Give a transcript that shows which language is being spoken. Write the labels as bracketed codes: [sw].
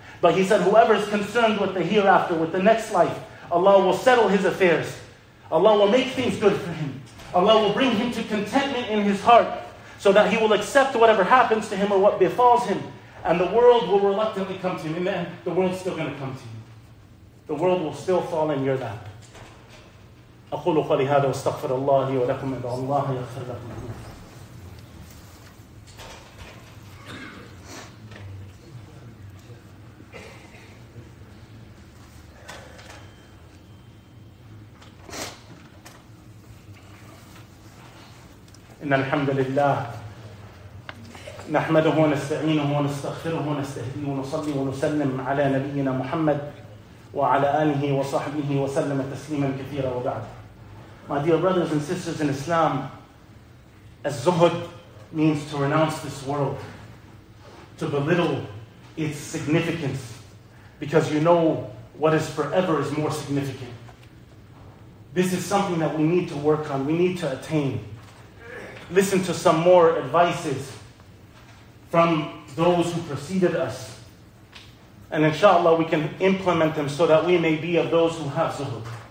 [en] But he said, whoever is concerned with the hereafter, with the next life, Allah will settle his affairs. Allah will make things good for him. Allah will bring him to contentment in his heart so that he will accept whatever happens to him or what befalls him. And the world will reluctantly come to him. Amen. The world's still going to come to you. The world will still fall in your lap. [ar] أقول قولي هذا واستغفر الله لي ولكم إن الله يغفر لكم. إن الحمد لله نحمده ونستعينه ونستغفره ونستهديه ونصلي ونسلم على نبينا محمد وعلى آله وصحبه وسلم تسليما كثيرا وبعد. [en] My dear brothers and sisters in Islam, Zuhd means to renounce this world, to belittle its significance, because you know what is forever is more significant. This is something that we need to work on, we need to attain. Listen to some more advices from those who preceded us, and inshallah we can implement them so that we may be of those who have Zuhd.